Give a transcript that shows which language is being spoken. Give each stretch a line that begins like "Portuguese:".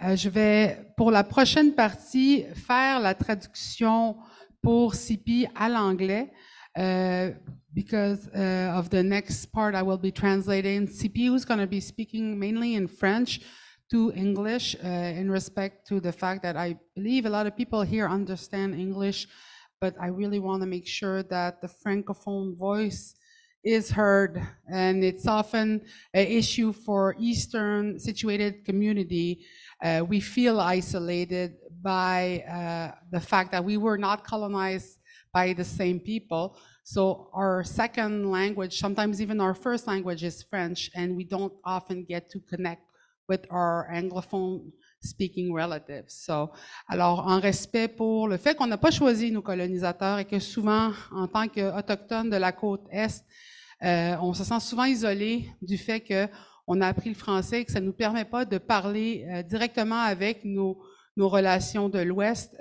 French: Je vais, pour la prochaine partie, faire la traduction pour Sipi à l'anglais.
English: Because of the next part, I will be translating. Sipi, who's going to be speaking mainly in French, to English in respect to the fact that I believe a lot of people here understand English, but I really want to make sure that the Francophone voice is heard, and it's often an issue for Eastern situated community. We feel isolated by the fact that we were not colonized by the same people. So our second language, sometimes even our first language, is French, and we don't often get to connect with our Anglophone speaking relatives.
French: So, alors, en respect pour le fait qu'on n'a pas choisi nos colonisateurs et que souvent, en tant qu'Autochtones de la côte Est, on se sent souvent isolé du fait qu'on a appris le français et que ça ne nous permet pas de parler directement avec nos relations de l'Ouest.